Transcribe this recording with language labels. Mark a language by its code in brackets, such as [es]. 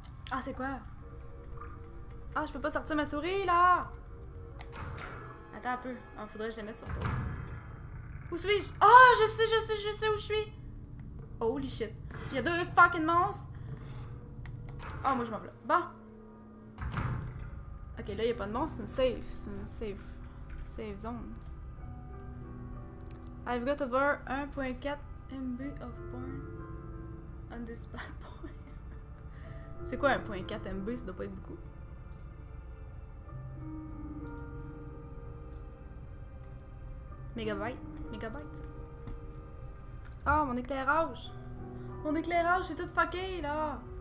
[fr] Ah, c'est quoi? Ah, je peux pas sortir ma souris, là! Attends un peu. Ah, faudrait que je la mette sur pause. Où suis-je? Ah, oh, je sais où je suis! [en] Holy shit. [fr] Il y a deux fucking monstres! Ah, oh, moi, je m'en vais là. Bon! Ok, là, il y a pas de monstres. C'est une safe. Save zone. [en] I've got over 1.4 MB of porn on this bad boy. [fr] C'est quoi 1.4 MB? Ça doit pas être beaucoup. [en] Megabyte. [fr] Ah, oh, mon éclairage, c'est tout fucké là.